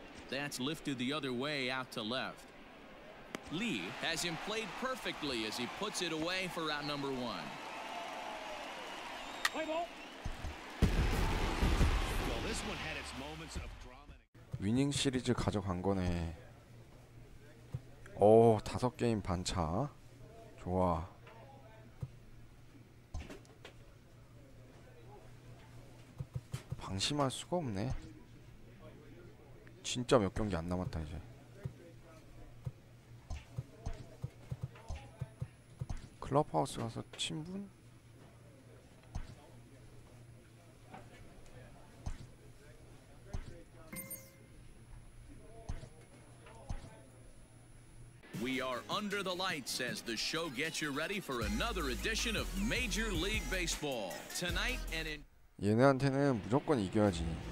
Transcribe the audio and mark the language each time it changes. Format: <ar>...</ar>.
<en>That's lifted the other way out to left. Lee has him played perfectly as he puts it away for out number one. Play ball. Well, this one had its moments of drama.</en> <ko>위닝 시리즈 가져간 거네. 오, 다섯 게임 반차. 좋아. 방심할 수가 없네. 진짜 몇 경기 안 남았다 이제. 클럽하우스 가서 친분? 우리는</ko> <en>as the show gets you ready for another edition of Major League Baseball tonight and in</en> <ko>얘네한테는 무조건 이겨야지.</ko>